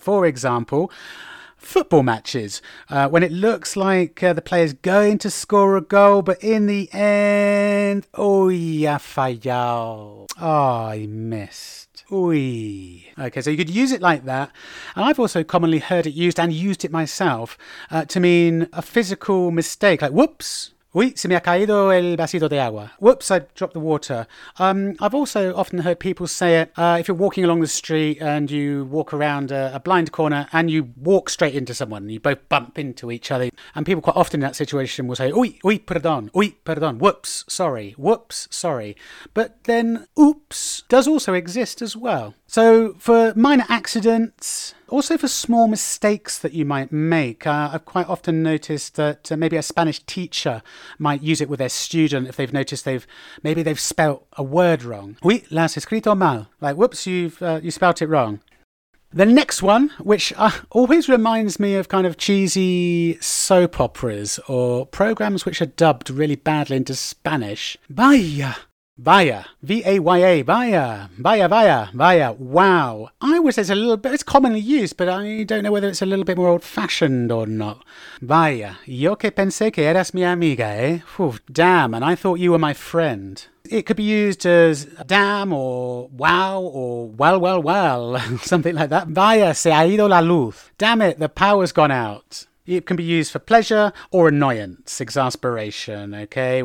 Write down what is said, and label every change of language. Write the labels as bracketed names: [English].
[English] For example, football matches, when it looks like the player's going to score a goal, but in the end, [Spanish] oi, ha fallado. [English] Oh, I missed. Oi. Okay, so you could use it like that. And I've also commonly heard it used and used it myself to mean a physical mistake, like whoops. [Spanish] Oui, se me ha caído el vasito de agua. [English] Whoops, I dropped the water. I've also often heard people say it if you're walking along the street and you walk around a blind corner and you walk straight into someone, you both bump into each other. And people quite often in that situation will say, oi, oi, perdón, oi, perdón, whoops, sorry. But then oops does also exist as well. So for minor accidents, also for small mistakes that you might make, I've quite often noticed that maybe a Spanish teacher might use it with their student if they've noticed they've spelt a word wrong. [Spanish] Uy, las escrito mal. [English] Like, whoops, you spelt it wrong. The next one, which always reminds me of kind of cheesy soap operas or programs which are dubbed really badly into Spanish. Vaya. Vaya, V-A-Y-A, vaya, vaya, vaya, vaya, wow. I would say it's a little bit, it's commonly used, but I don't know whether it's a little bit more old-fashioned or not. [Spanish] Vaya, yo que pensé que eras mi amiga, eh? [English] Oof, damn, and I thought you were my friend. It could be used as damn or wow or well, well, something like that. [Spanish] Vaya, se ha ido la luz. [English] Damn it, the power's gone out. It can be used for pleasure or annoyance, exasperation, okay?